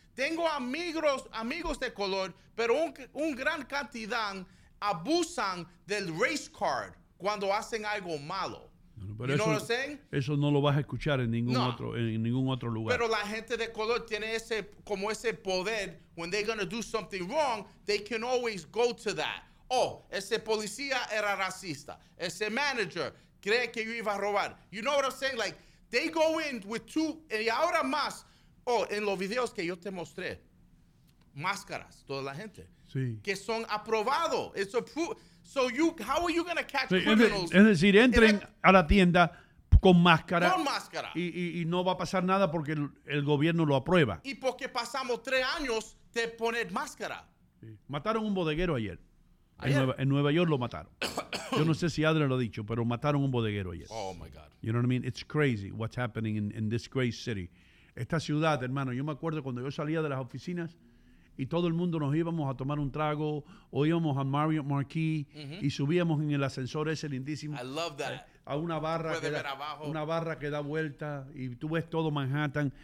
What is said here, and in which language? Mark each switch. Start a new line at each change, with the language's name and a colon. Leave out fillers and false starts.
Spanish: Tengo amigos de color, pero un gran cantidad abusan del race card cuando hacen algo malo. Pero
English: you know what I'm saying?
Spanish: Eso no lo vas a escuchar en ningún otro lugar. Pero la gente de color tiene ese como ese poder.
English: When they're going to do something wrong, they can always go to that.
Spanish: Oh, ese policía era racista. Ese manager cree que yo iba a robar.
English: You know what I'm saying? Like, they go in with two,
Spanish: y ahora más, en los videos que yo te mostré, máscaras, toda la gente. Sí. Que son aprobados.
English: It's approved. So you, how are you going to catch criminals?
Spanish: Es decir, entren a la tienda con máscara. Con máscara. Y no va a pasar nada porque el gobierno lo aprueba. Y porque pasamos 3 años de poner máscara. Sí. Mataron un bodeguero ayer. En Nueva York lo mataron. Yo no sé si Adler lo ha dicho, pero mataron un bodeguero ayer.
English: Oh, my God. You know what I mean? It's crazy what's happening in this great city.
Spanish: Esta ciudad, hermano, yo me acuerdo cuando yo salía de las oficinas, y todo el mundo nos íbamos a tomar un trago o íbamos a Marriott Marquis, mm-hmm, y subíamos en el ascensor ese lindísimo.
English: I love that.
Spanish: A una barra, que da, una barra que da vuelta y tú ves todo Manhattan.